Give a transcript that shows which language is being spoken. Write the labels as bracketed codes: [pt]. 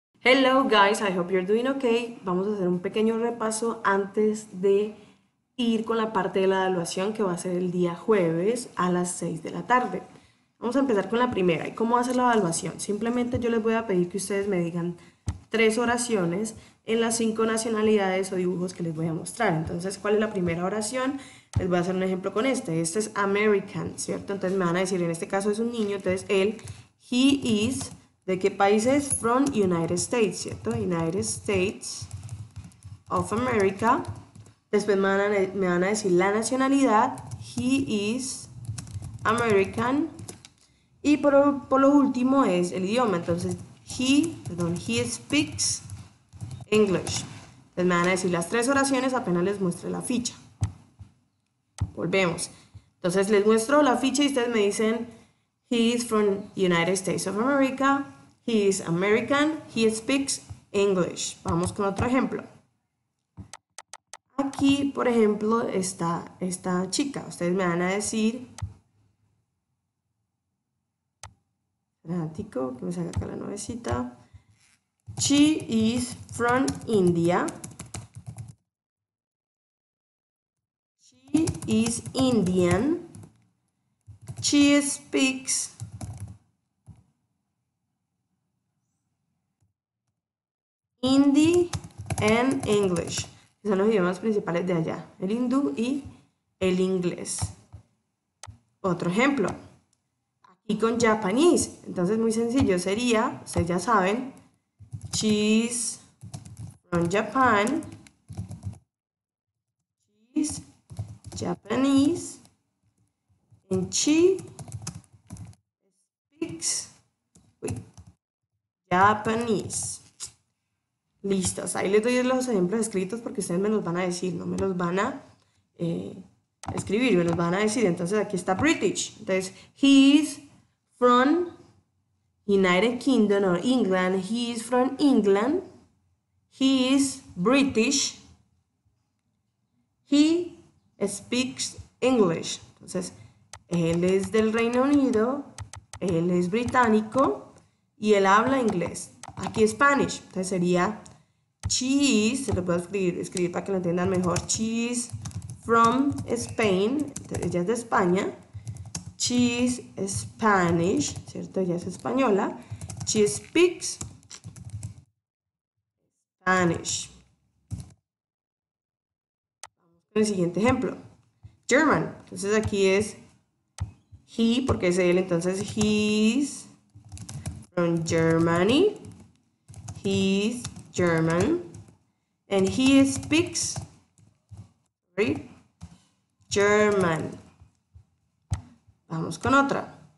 [en] Hello guys, I hope you're doing okay. [es] Vamos a hacer un pequeño repaso antes de ir con la parte de la evaluación que va a ser el día jueves a las 6 de la tarde. Vamos a empezar con la primera. ¿Y cómo hacer la evaluación? Simplemente yo les voy a pedir que ustedes me digan tres oraciones en las cinco nacionalidades o dibujos que les voy a mostrar. Entonces, ¿cuál es la primera oración? Les voy a hacer un ejemplo con este. Este es American, ¿cierto? Entonces me van a decir, en este caso es un niño, entonces él, [en] he is. [es] ¿De qué país es? [en] From United States, ¿cierto? United States of America. [es] Después me van a decir la nacionalidad. [en] He is American. [es] Y por lo último es el idioma. [en] Entonces, he speaks English. [es] Entonces me van a decir las tres oraciones apenas les muestre la ficha. Volvemos. Entonces les muestro la ficha y ustedes me dicen, [en] he is from United States of America. He is American, he speaks English. [es] Vamos con otro ejemplo. Aquí, por ejemplo, está esta chica. Ustedes me van a decir. Fanático, que me salga acá la nuevecita. [en] She is from India. She is Indian. She speaks. Hindi and English. [es] Son los idiomas principales de allá. El hindú y el inglés. Otro ejemplo. Aquí con Japanese. Entonces, muy sencillo sería, ustedes ya saben, [en] she's from Japan. She's Japanese. And she speaks Japanese. [es] Listos, ahí les doy los ejemplos escritos porque ustedes me los van a decir, no me los van a escribir, me los van a decir. Entonces aquí está British. [en] Entonces, he is from United Kingdom or England. He is from England. He is British. He speaks English. [es] Entonces, él es del Reino Unido, él es británico y él habla inglés. Aquí Spanish. Entonces sería. [en] She is, [es] se lo puedo escribir para que lo entiendan mejor. [en] She is from Spain, [es] ella es de España. [en] She is Spanish, [es] ¿cierto? Ella es española. [en] She speaks Spanish. [es] Vamos con el siguiente ejemplo. German. Entonces aquí es he, porque es él. [en] Entonces he is from Germany. He is German. And he speaks, sorry, German. [es] Vamos con otra.